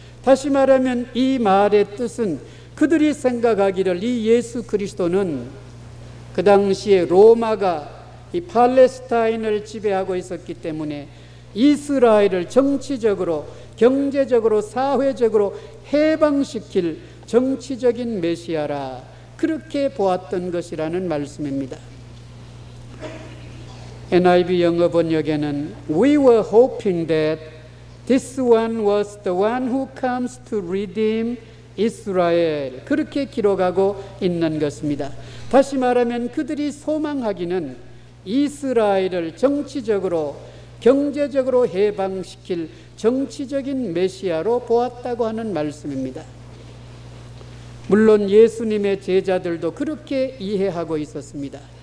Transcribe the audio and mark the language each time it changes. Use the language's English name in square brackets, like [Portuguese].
[Korean] 다시 말하면 이 말의 뜻은 그들이 생각하기를 이 예수 그리스도는 그 당시에 로마가 이 팔레스타인을 지배하고 있었기 때문에 이스라엘을 정치적으로, 경제적으로, 사회적으로 해방시킬 정치적인 메시아라 그렇게 보았던 것이라는 말씀입니다. [English] NIV [Korean] 영어 번역에는 [English] We were hoping that this one was the one who comes to redeem Israel [Korean] 그렇게 기록하고 있는 것입니다. 다시 말하면 그들이 소망하기는 이스라엘을 정치적으로 경제적으로 해방시킬 정치적인 메시아로 보았다고 하는 말씀입니다. 물론 예수님의 제자들도 그렇게 이해하고 있었습니다.